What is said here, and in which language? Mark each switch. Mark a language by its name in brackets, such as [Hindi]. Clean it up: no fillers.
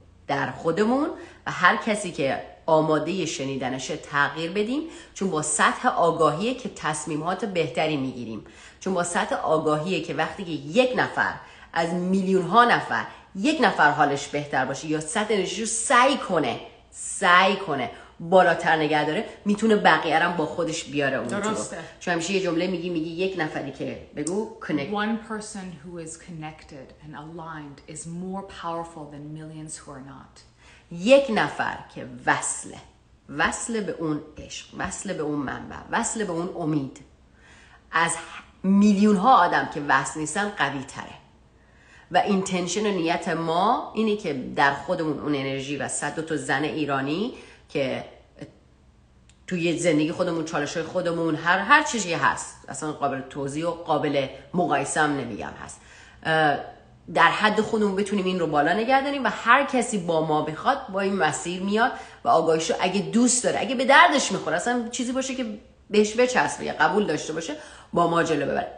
[Persian] در خودمون و هر کسی که آماده شنیدنش تغییر بدیم، چون با سطح آگاهیه که تصمیمات بهتری میگیریم، چون با سطح آگاهیه که وقتی که یک نفر از میلیون ها نفر یک نفر حالش بهتر باشه یا سطح انرژیش رو سعی کنه بالاتر نگه داره، میتونه بقیه رو با خودش بیاره اون. درسته. تو چون همیشه یه جمله میگی یک نفری که بگو connect. [English] One person who is connected and aligned is more powerful than millions who are not. [Persian] یک نفر که وصله به اون عشق، وصله به اون منبع، وصله به اون امید، از میلیون ها آدم که وصل نیستن قوی تره. و اینتنشن و نیت ما اینه که در خودمون اون انرژی و صد دو تا زن ایرانی که توی زندگی خودمون، چالش‌های خودمون، هر چیزی هست، اصلا قابل توضیح و قابل مقایسه هم نمیگم هست، در حد خودمون بتونیم این رو بالا نگه داریم و هر کسی با ما بخواد با این مسیر میاد و آگاهیشو اگه دوست داره، اگه به دردش میخوره، اصلا چیزی باشه که بهش بچسبه یا قبول داشته باشه، با ما جلو ببره.